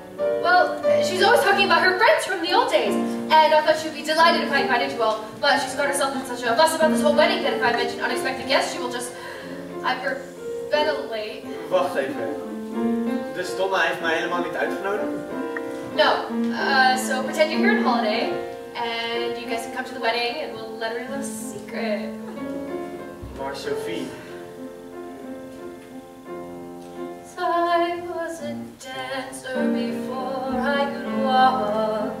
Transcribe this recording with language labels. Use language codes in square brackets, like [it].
[en] Well, she's always talking about her friends from the old days. And I thought she'd be delighted if I invited you all. But she's got herself in such a fuss about this whole wedding that if I mention unexpected guests, she will just hyperventilate. [nl] Wacht even. Dus Donna heeft mij helemaal niet uitgenodigd? [en] No. So pretend you're here on holiday. And you guys can come to the wedding and we'll let her in the secret. [nl] Maar Sophie. [en] I was a dancer before I could walk.